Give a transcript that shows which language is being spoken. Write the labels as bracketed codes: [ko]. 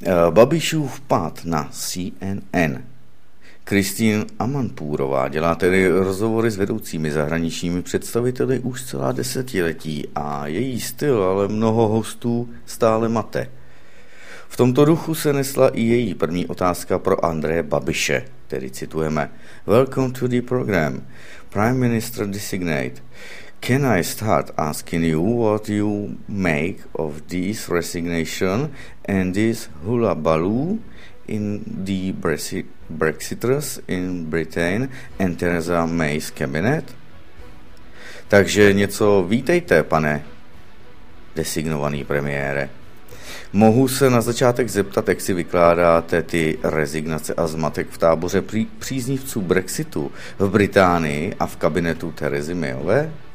[cs] Babišův pád na CNN. Kristýn Amanpourová dělá tedy rozhovory s vedoucími zahraničními představiteli už celá desetiletí a její styl ale mnoho hostů stále mate. V tomto duchu se nesla i její první otázka pro Andreje Babiše, který citujeme: [en] Welcome to the program, Prime Minister Designate. Can I start asking you what you make of this resignation and this hullabaloo in the Brexiters in Britain and Theresa May's cabinet? [cs] Takže něco vítejte, pane designovaný premiére. Mohu se na začátek zeptat, jak si vykládáte ty rezignace a zmatek v táboře příznivců Brexitu v Británii a v kabinetu Theresy Mayové?